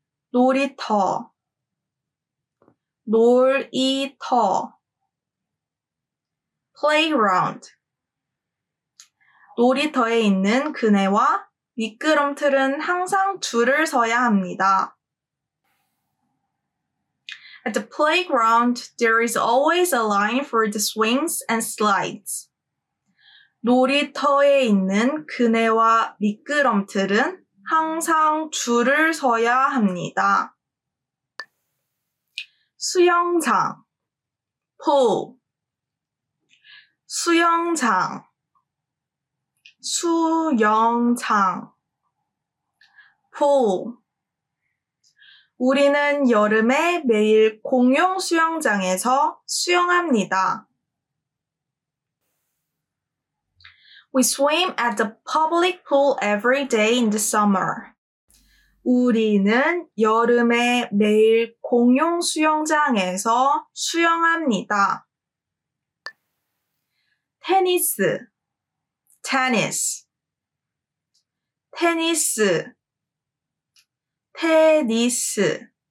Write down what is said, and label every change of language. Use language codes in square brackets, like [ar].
[ko] 놀이터 놀이터 [en] playground [ko] 놀이터에 있는 그네와 미끄럼틀은 항상 줄을 서야 합니다. [en] At the playground there is always a line for the swings and slides. [ko] 놀이터에 있는 그네와 미끄럼틀은 항상 줄을 서야 합니다. 수영장 [en] pool [ko] 수영장 수영장 [en] pool [ko] 우리는 여름에 매일 공용 수영장에서 수영합니다. [en] We swim at the public pool every day in the summer. [ko] 우리는 여름에 매일 공용 수영장에서 수영합니다. 테니스 [en] tennis [ko] 테니스 테니스